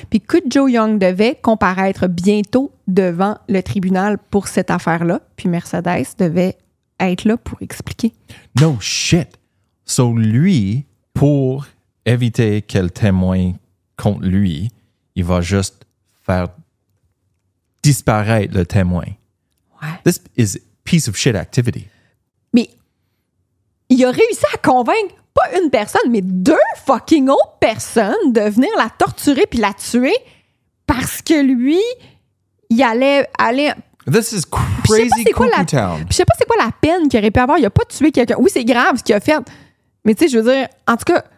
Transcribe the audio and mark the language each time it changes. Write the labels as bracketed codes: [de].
[fr] Puis Kudjo Young devait comparaître bientôt devant le tribunal pour cette affaire-là, puis Mercedes devait être là pour expliquer. [en] No shit! [fr] So lui, pour éviter qu'elle témoigne contre lui, il va juste faire disparaître le témoin. Ouais. [en] This is piece of shit activity. [fr] Mais il a réussi à convaincre pas une personne, mais deux fucking autres personnes de venir la torturer puis la tuer parce que lui, il allait aller... [en] This is crazy cuckoo town. [fr] Je sais pas c'est quoi la peine qu'il aurait pu avoir. Il a pas tué quelqu'un. Oui, c'est grave ce qu'il a fait. Mais tu sais, je veux dire, en tout cas...